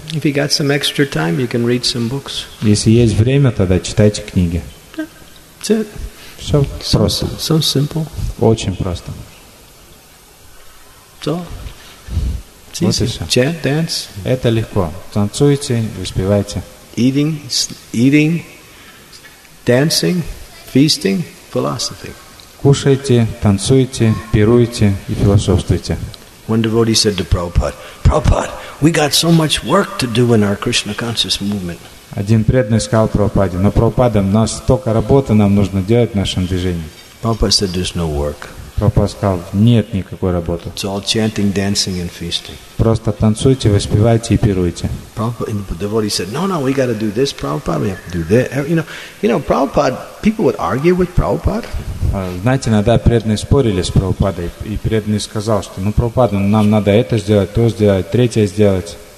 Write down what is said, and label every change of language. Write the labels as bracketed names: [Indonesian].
[English] If you got some extra time, you can read some books. [Russian] Если есть время, тогда читайте книги. [English] That's it. [Russian] Все просто. [English] So simple. [Russian] Очень просто. [English] So, it's easy. [Russian] Вот [English] chant, dance. [Russian] Это легко. Танцуйте, воспевайте. [English] Eating, dancing, feasting, philosophy. [Russian] Кушайте, танцуйте, пируйте и философствуйте. [English] One devotee said to Prabhupada, we got so much work to do in our Krishna conscious movement. [Russian] Один преданный сказал Прабхупаде, но Прабхупада, у нас столько работы нам нужно делать в нашем движении. [English] Prabhupada said, there's no work. [Russian] Прабхупада сказал, нет никакой работы. [English] It's all chanting, dancing and feasting. [Russian] Просто танцуйте, воспевайте и пируйте. [English] Devotee said, no, we got to do this, Prabhupada, we have to do that. You know, Prabhupada, people would argue with Prabhupada. [Russian] Знаете, иногда преданные спорили с Прабхупадой, и преданный сказал, что, ну, Прабхупада, нам надо это сделать, то сделать, третье сделать.